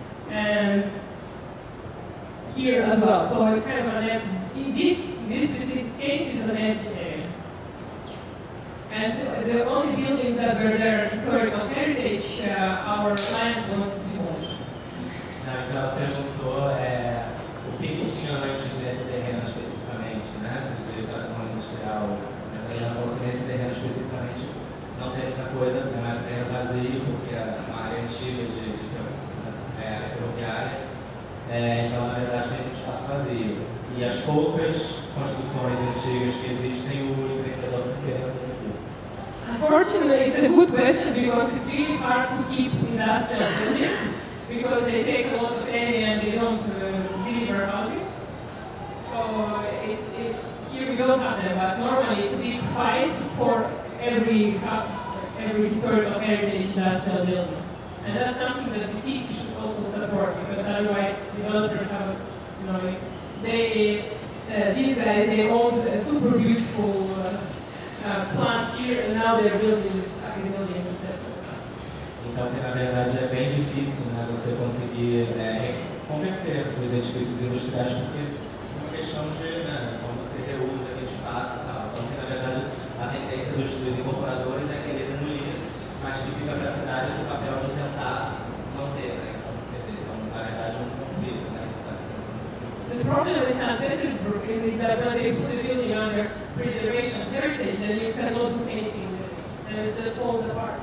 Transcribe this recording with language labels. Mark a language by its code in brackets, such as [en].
[en] And here as well, so it's kind of an empty. In this specific case, is an empty area. And so the only buildings that were there historical heritage, our client wants to demolish. [pt] Now, então, ela perguntou o que que tinha antes nesse terreno especificamente, né? De tratamento industrial. Mas ela falou que nesse terreno especificamente não tem muita coisa, tem mais terreno vazio, porque é uma área antiga de ferroviária. Então, na verdade, tem um espaço vazio. E as poucas construções antigas que existem, o empreendedor tem que ter. [en] Unfortunately, it's a good question because it's really hard to keep industrial buildings because they take a lot of area and they don't deliver housing. So it's here we don't have them, but normally it's a big fight for every historical heritage that's still building. And that's something that the city should also support, because otherwise developers have, you know, these guys, they owned a super beautiful plant here, and now they're building this agribuilding instead. [pt] Então, na verdade, é bem difícil, né, você conseguir converter os edifícios industriais, porque é uma questão de, né, como você reúne aquele espaço e tal. Então, na verdade, a tendência dos incorporadores é querer demolir, mas que fica para a cidade esse papel de tentar manter, né? Então, quer dizer, isso é, na verdade, um conflito, né? [en] The problem with St. Petersburg is that when they put a building under preservation heritage, then you cannot do anything with it. And it just falls apart.